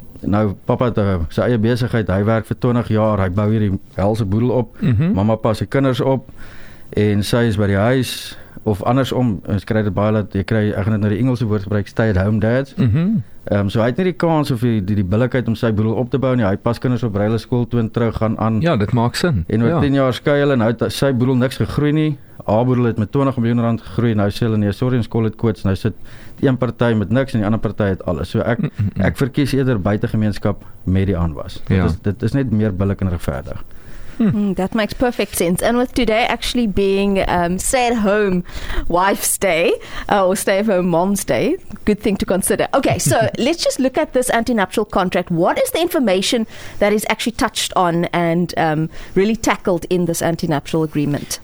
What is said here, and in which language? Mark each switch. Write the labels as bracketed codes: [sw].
[af] Nou, papa het sy eie besigheid, hy werk vir 20 jaar, hy bou hier die helse boedel op, mm-hmm. mama pas sy kinders op, en sy is by die huis, of andersom, ons kry dit baie, ek gaan dit nou die Engelse woord gebruik, [en] stay at home dads, mm-hmm. [af] So hy het nie die kans of die billikheid om sy boedel op te bou nie, hy pas kinders op reile school toe en terug gaan aan. Ja, dit maak sin. En oor ja. 10 jaar skei hulle, nou het sy boedel niks gegroei nie, haar boedel het met 20 miljoen rand gegroei, nou sê hulle nie, sorry, ons [en] call het quits, [af] nou sit die een partij met niks en die ander partij het alles. So ek, mm-hmm. ek verkies eerder buitengemeenskap met die aanwas. Ja. Dit is net meer billik en regverdig. [en] That makes perfect sense. And with today actually being stay-at-home wife's day, or stay-at-home mom's day, good thing to consider. Okay, so let's just look at this antenuptial contract. What is the information that is actually touched on and really tackled in this antenuptial agreement?